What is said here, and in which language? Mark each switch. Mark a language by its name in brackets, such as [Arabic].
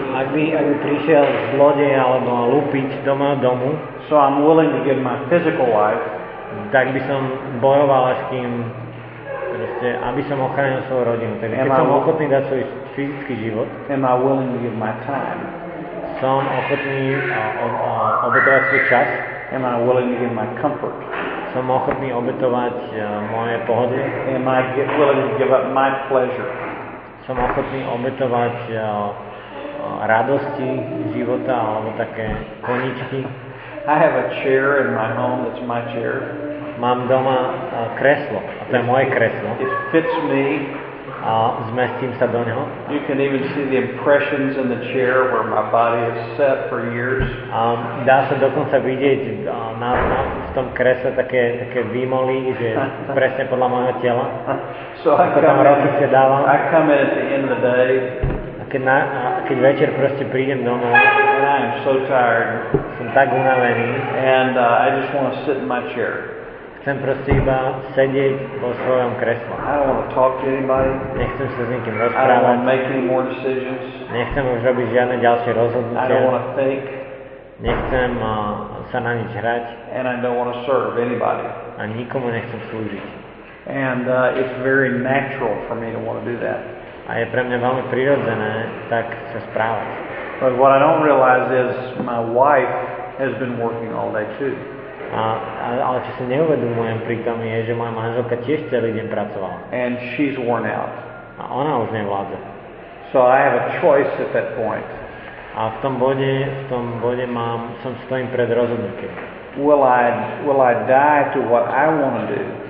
[Slovak] Ak by prišiel zlodej alebo lúpiť doma domu. [English] So I'm willing to give my physical life. [Slovak] Tak by som bojoval s kým, proste, aby som ochránil svoju rodinu. Takže keď som ochotný dať svoj fyzický život, [English] am I willing to give my time? [Slovak] Som ochotný obetovať svoj čas. [English] Am I willing to give my comfort? [Slovak] Som ochotný obetovať moje pohody. [English] Am I willing to give up my pleasure? [Slovak] Som ochotný obetovať radosti života alebo také koničky. [English] I have a chair in my home that's my chair. [Slovak] Mám doma kreslo, a to je moje kreslo. [English] It fits me. [Slovak] A zmestím sa do neho. [English] You can even see the impressions in the chair where my body has sat for years. [Slovak] Dá sa dokonca vidieť na v tom kresle také výmoly, že presne podľa môjho tela. [English] So I come in at the end of the day. [Slovak] Keď večer proste prídem domov, [English] and I am so tired. [Slovak] Som tak unavený. [English] And I just want to sit in my chair. [Slovak] Chcem proste iba sedieť vo svojom kresle. [English] I don't want to talk to anybody. [Slovak] Nechcem sa s nikým rozprávať. [English] I don't want to make any more decisions. [Slovak] Nechcem už robiť žiadne ďalšie rozhodnutia. [English] I don't want to think. [Slovak] Nechcem sa na nič hrať. [English] And I don't want to serve anybody. [Slovak] A nikomu nechcem slúžiť. [English] And it's very natural for me to want to do that. [Slovak] A je pre mňa veľmi prirodzené tak sa správať. [English] But what I don't realize is my wife has been working all day too. [Slovak] Ale čo si neuvedomujem pri tom je, že moja manželka tiež celý deň pracovala. [English] And she's worn out. [Slovak] A ona už nevládza. [English] So I have a choice at that point. [Slovak] A v tom bode mám, som stojím pred rozhodnutím. [English] Will I die to what I want to do?